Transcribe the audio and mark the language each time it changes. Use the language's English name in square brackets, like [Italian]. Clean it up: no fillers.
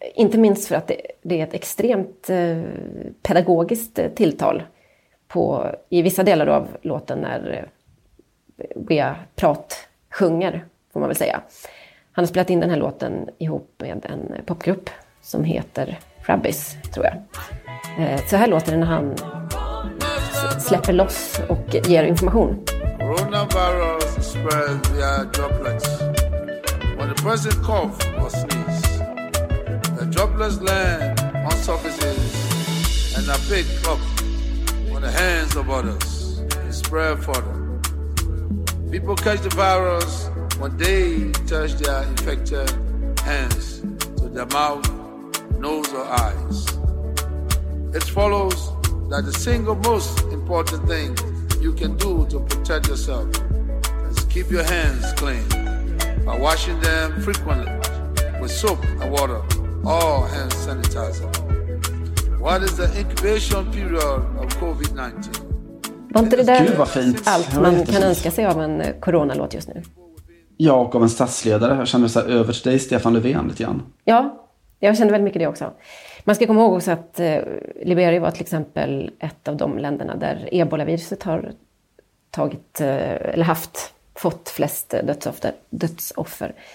[Swedish] Inte minst för att det är ett extremt pedagogiskt tilltal på, i vissa delar av låten när Bea Prat sjunger, får man väl säga. Han har spelat in den här låten ihop med en popgrupp som heter Rubbish, tror jag. Så här låter det när han släpper loss och ger information. [English] Coronavirus spread via droplets. When the person cough or sneeze, the droplets land on surfaces and are picked up on the hands of others and spread further. People catch the virus when they touch their infected hands to their mouth, nose or eyes. It follows that the single most important thing you can do to protect yourself is keep your hands clean by washing them frequently with soap and water or hand sanitizer. What is the incubation period of COVID-19? [Swedish] Var inte det där Gud, vad fint. Allt man kan önska sig av en coronalåt just nu? Ja, och av en statsledare. Jag känner så här över till dig, Stefan Löfven, lite grann. Ja, jag kände väldigt mycket det också. Man ska komma ihåg också att Liberia var till exempel ett av de länderna där Ebola-viruset har tagit, eller haft, fått flest dödsoffer.